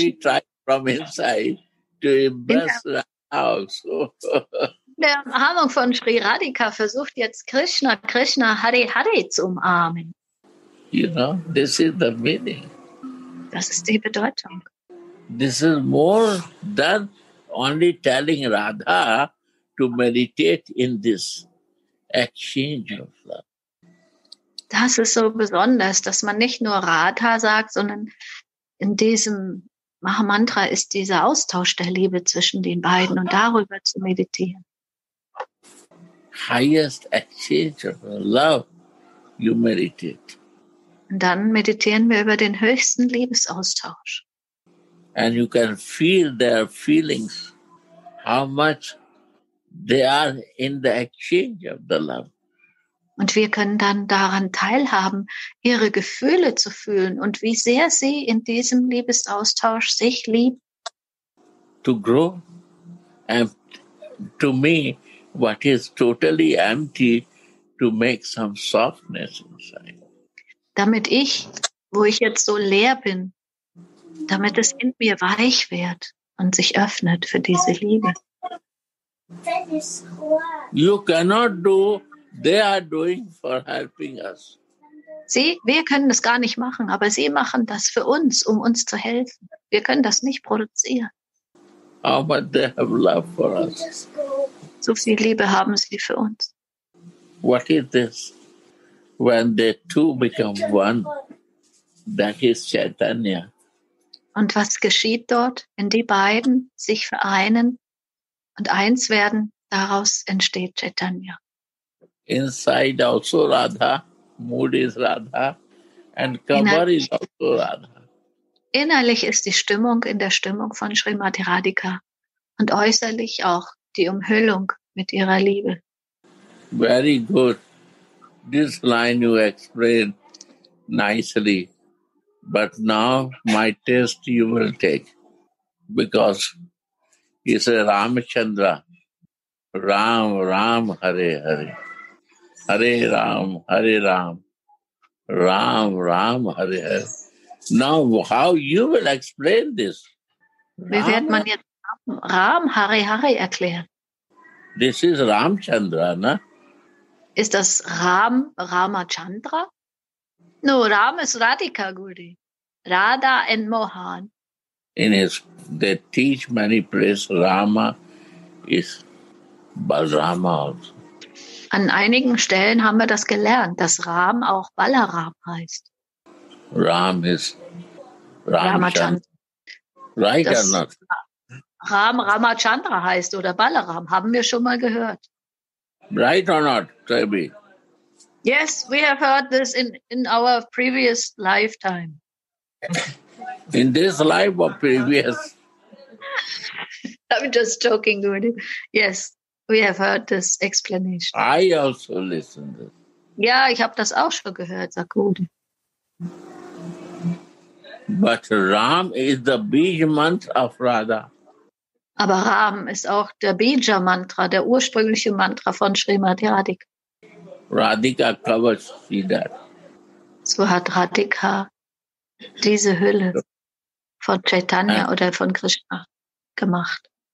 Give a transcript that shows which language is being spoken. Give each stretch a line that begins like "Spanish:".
English: He tried from inside to embrace the house.
German: In der Umarmung von Sri Radhika versucht jetzt Krishna, Krishna, Hare Hare zu umarmen.
English: You know, this is the meaning.
German: Das ist die Bedeutung.
English: This is more than only telling Radha to meditate in this exchange of love.
German: Das ist so besonders, dass man nicht nur Radha sagt, sondern in diesem Mahamantra ist dieser Austausch der Liebe zwischen den beiden und darüber zu meditieren.
English: Highest exchange of love, you meditate.
German: Und dann meditieren wir über den höchsten Liebesaustausch.
English: And you can feel their feelings, how much they are in the exchange of the love.
German: Und wir können dann daran teilhaben, ihre Gefühle zu fühlen und wie sehr sie in diesem Liebesaustausch sich lieben.
English: To grow, and to me, what is totally empty, to make some softness inside.
German: Damit ich, wo ich jetzt so leer bin, damit es in mir weich wird und sich öffnet für diese Liebe.
English: You cannot do, they are doing for helping us.
German: Sie, wir können das gar nicht machen, aber sie machen das für uns, um uns zu helfen. Wir können das nicht produzieren.
English: How much they have love for us.
German: So viel Liebe haben sie für uns.
English: What is this? When the two become one, that is Chaitanya.
German: Und was geschieht dort, wenn die beiden sich vereinen und eins werden? Daraus entsteht Chaitanya.
English: Inside also Radha, mood is Radha, and cover is also Radha.
German: Innerlich ist die Stimmung in der Stimmung von Srimati Radhika und äußerlich auch die Umhüllung mit ihrer Liebe.
English: Very good. This line you explained nicely. But now my test you will take, because he said Ramachandra, Ram, Ram, Hare, Hare, Hare Ram, Hare Ram, Ram, Ram, Hare, Hare. Now how you will explain this?
German: Wie wird man jetzt Ram, Hare, Hare erklären?
English: This is Ramachandra, na?
German: Ist das Ram, Ramachandra? No, Ram ist Radhika, Guri.
English: Radha and Mohan. In his, they teach many places Rama is Balarama also.
German: An einigen Stellen haben wir das gelernt, dass Ram auch Balaram heißt.
English: Ram is Ramachandra. Right or not?
German: Ram Ramachandra heißt oder Balaram, haben wir schon mal gehört.
English: Right or not, Tabi? Yes, we have heard this in our previous lifetime. In this life or previous? I'm just joking, Guru. Yes, we have heard this explanation. I also listened.
German: Ja, ich habe das auch schon gehört, sagt Guru.
English: But Ram is the Bija Mantra of Radha.
German: Aber Ram ist auch der Bija Mantra, der ursprüngliche Mantra von Srimati Radhika.
English: Radhika covers that.
German: So hat Radhika diese Hülle von Chaitanya oder von Krishna gemacht.